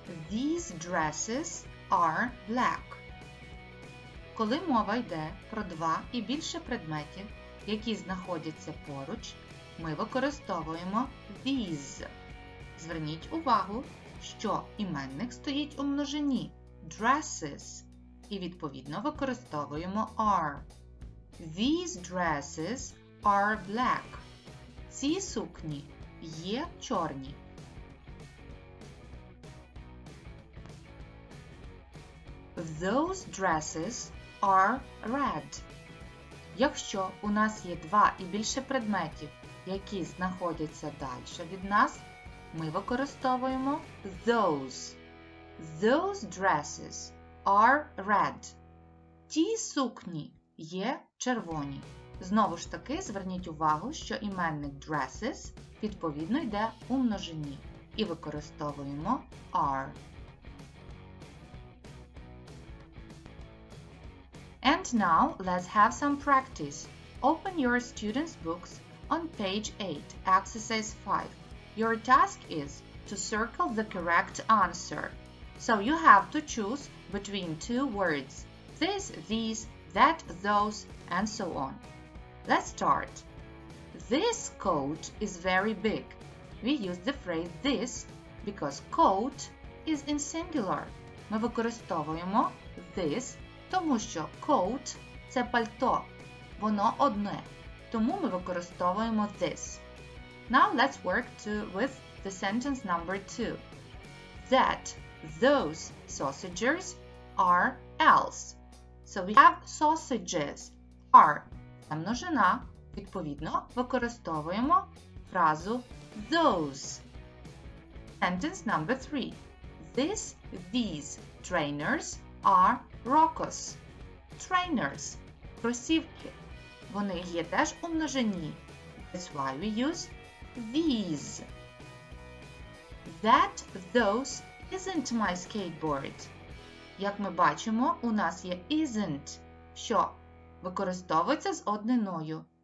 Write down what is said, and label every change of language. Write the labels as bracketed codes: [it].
[en] These dresses are black. [uk] Коли мова йде про два і більше предметів, які знаходяться поруч, ми використовуємо these. Зверніть увагу, що іменник стоїть у множині dresses і відповідно використовуємо are. [en] These dresses are black. [uk] Ці сукні є чорні. [en] Those dresses are red. [uk] Якщо у нас є два і більше предметів, які знаходяться далі від нас, ми використовуємо those. [en] Those dresses are red. [uk] Ті сукні є червоні. Знову ж таки, зверніть увагу, що іменник dresses відповідно йде у множині. І використовуємо are. [en] And now let's have some practice. Open your students' books on page 8, exercise 5. Your task is to circle the correct answer. So you have to choose between two words. This, these, that, those, and so on. Let's start. This coat is very big. We use the phrase this because coat is in singular. [uk] Ми використовуємо this, тому що coat – це пальто, воно одне. Тому ми використовуємо this. [en] Now let's work with the sentence number 2. That, those sausages are else. So we have sausages, are. [uk] Це множина, відповідно, використовуємо фразу those. [en] Sentence number 3. This, these trainers are Rockers. [uk] Trainers. Кросівки. Вони є теж у множині. [en] That's why we use these. That, those isn't my skateboard. [uk] Як ми бачимо, у нас є isn't, що використовується з однинною.